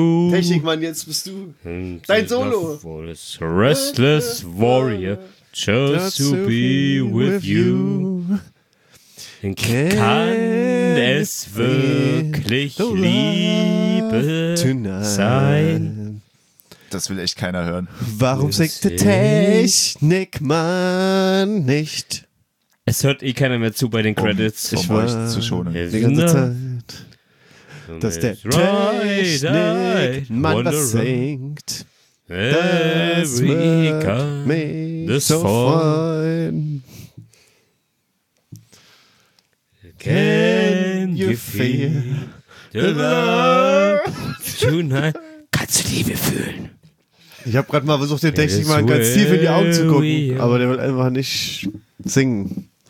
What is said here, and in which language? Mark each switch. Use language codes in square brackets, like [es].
[de] Technikmann, jetzt bist du dein Solo. [en] Restless Warrior chose to be with you. [de] Kann es wirklich Liebe sein? Das will echt keiner hören. Warum singt der Technikmann nicht? Es hört eh keiner mehr zu bei den Credits. Ich wollte euch zu schonen. Die ganze Zeit. Dass der Technikmann was singt. Das wird mich so freuen. [en] Can you feel the love tonight? [de] Kannst du Liebe fühlen? Ich habe gerade mal versucht, den Technik mal ganz tief in die Augen zu gucken, aber der will einfach nicht singen.